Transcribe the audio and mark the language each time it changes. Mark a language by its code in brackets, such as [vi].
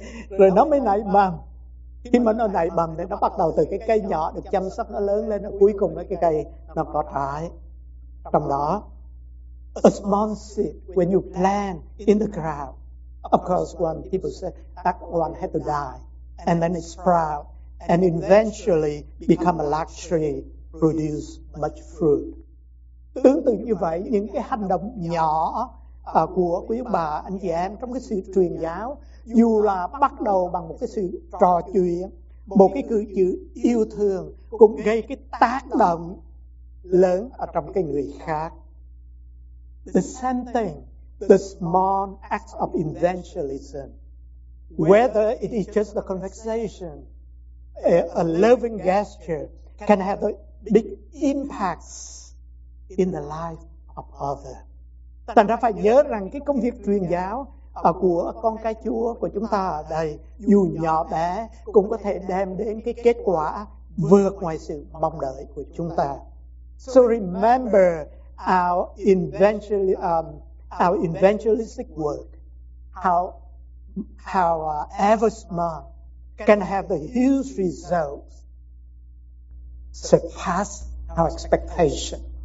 [vi] Rồi nó mới nảy mầm. Khi mà nó nảy mầm thì nó bắt đầu từ cái cây nhỏ được chăm sóc, nó lớn lên, cuối cùng nó cái cây nó có trái. Trong đó, [en] a small seed when you plant in the ground, of course when people say that one had to die, and then it sprout and eventually become a large tree, produce much fruit. [vi] Tương tự như vậy, những cái hành động nhỏ của quý bà, anh chị em trong cái sự truyền giáo, dù là bắt đầu bằng một cái sự trò chuyện, một cái cử chỉ yêu thương, cũng gây cái tác động lớn ở trong cái người khác. [en] The same thing, the small acts of evangelism, whether it is just the conversation, a loving gesture, can have a big impact in the life of others. [vi] Thành ra phải nhớ rằng cái công việc truyền giáo của con cái Chúa của chúng ta ở đây, dù nhỏ bé, cũng có thể đem đến cái kết quả vượt ngoài sự mong đợi của chúng ta. [en] So remember our evangelistic work, how ever small can have the huge results surpass our expectation.